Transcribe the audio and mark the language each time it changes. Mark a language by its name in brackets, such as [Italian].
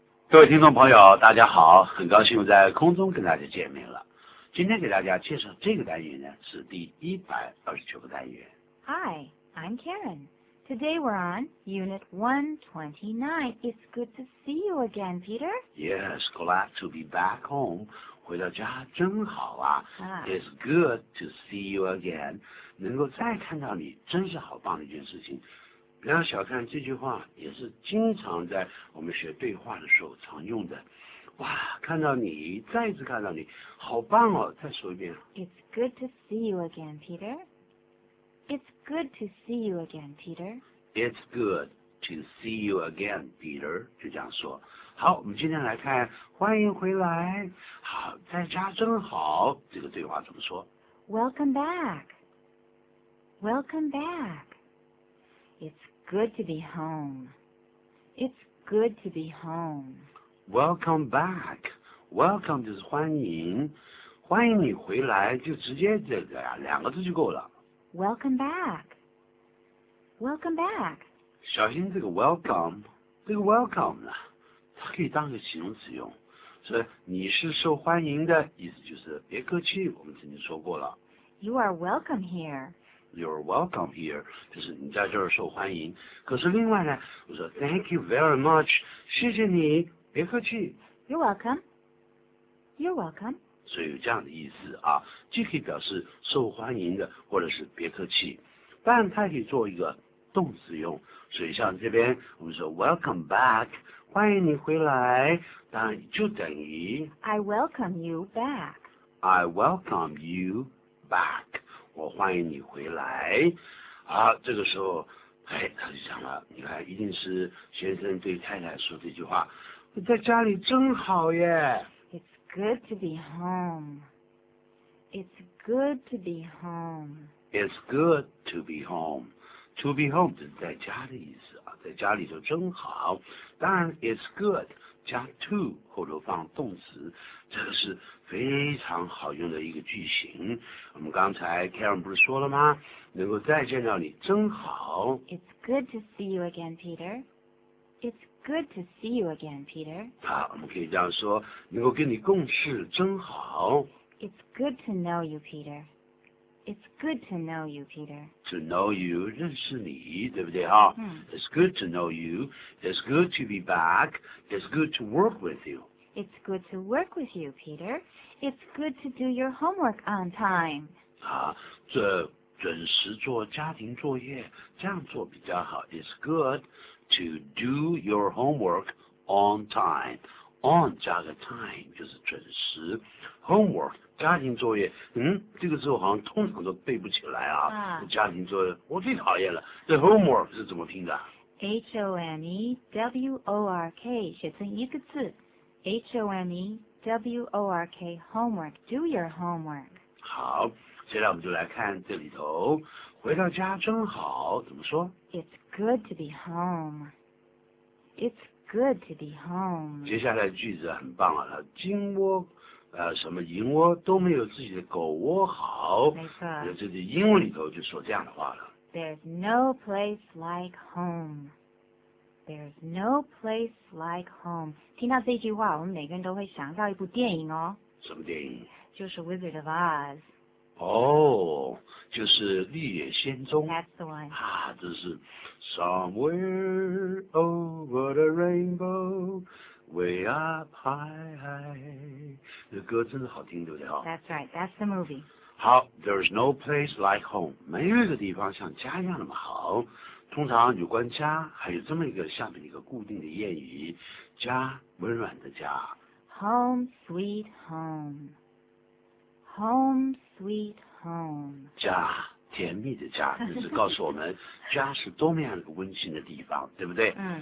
[Chinese] 各位听众朋友大家好，很高兴在空中跟大家见面了。今天给大家介绍这个单元呢，是第129个单元。 [English] Hi, I'm Karen. Today we're on Unit 129. It's good to see you again, Peter. Yes, glad to be back home. [Chinese] 回到家真好啊、 ah. [English] It's good to see you again. [Chinese] 能够再看到你真是好棒的一件事情。不要小看这句话，也是经常在我们学对话的时候常用的。哇，看到你，再次看到你，好棒哦！再说一遍。 [English] It's good to see you again, Peter. It's good to see you again, Peter. It's good to see you again, Peter. [Chinese] 就这样说。好，我们今天来看欢迎回来。好，在家真好。这个对话怎么说 [English] ？Welcome back. Welcome back. It's good to be home. It's good to be home. Welcome back. [Chinese] Welcome 就是欢迎，欢迎你回来，就直接这个呀，两个字就够了。 [English] Welcome back. Welcome back. [Chinese] 小心这个 welcome， 这个 welcome 呢，它可以当个形容词用，所以你是受欢迎的意思就是别客气，我们曾经说过了。 [English] You are welcome here. You're welcome here. [Chinese] 就是你在这儿受欢迎。可是另外呢，我说 [English] Thank you very much. [Chinese] 谢谢你，别客气。 [English] You're welcome. You're welcome. [Chinese] 所以有这样的意思啊，既可以表示受欢迎的，或者是别客气。但它可以做一个动词用。所以像这边我们说 Welcome back， 欢迎你回来，当然就等于 [English] I welcome you back. I welcome you back. [Chinese] 我欢迎你回来啊，这个时候哎，他就讲了，你看一定是先生对太太说这句话，在家里真好耶。 [English] It's good to be home. It's good to be home. It's good to be home. [Chinese] To be home 就是在家的意思啊，在家里就真好。当然 It's good 加 to 后头放动词，这个是非常好用的一个句型。我们刚才 Karen 不是说了吗？能够再见到你真好。 [English] It's good to see you again, Peter. It's good to see you again, Peter. [Chinese] 好，我们可以这样说，能够跟你共事真好。 [English] It's good to know you, Peter. It's good to know you, Peter. To know you, [Chinese] 认识你，对不对啊、 [English] It's good to know you. It's good to be back. It's good to work with you. It's good to work with you, Peter. It's good to do your homework on time. [Chinese] 啊，这准时做家庭作业，这样做比较好。 [English] It's good to do your homework on time. [Chinese] On 加个 time 就是准时。Homework 家庭作业，这个字我好像通常都背不起来啊。家庭作业我最讨厌了。这 homework 是怎么拼的？HOMEWORK 写成一个字。 [English] HOMEWORK, homework, do your homework. [Chinese] 好，现在我们就来看这里头，回到家真好，怎么说 [English] ？It's good to be home. It's good to be home. [Chinese] 接下来句子很棒啊，金窝，什么银窝都没有自己的狗窝好。没错。那这个英文里头就说这样的话了。 [English] There's no place like home. There's no place like home. [Chinese] 听到这句话，我们每个人都会想到一部电影哦。什么电影？就是 Wizard of Oz. 哦，就是《绿野仙踪》。 [English] That's the one. 啊，这是 Somewhere over the rainbow, way up high. [Chinese] 这歌真的好听，对不对？ [English] That's right. That's the movie. 好 ，There's no place like home. [Chinese] 没有一个地方像家一样那么好。通常有关家还有这么一个下面一个固定的谚语，家温暖的家 [English] home sweet home home sweet home [Chinese] 家甜蜜的家，这是告诉我们家是多么样一个温馨的地方，对不对？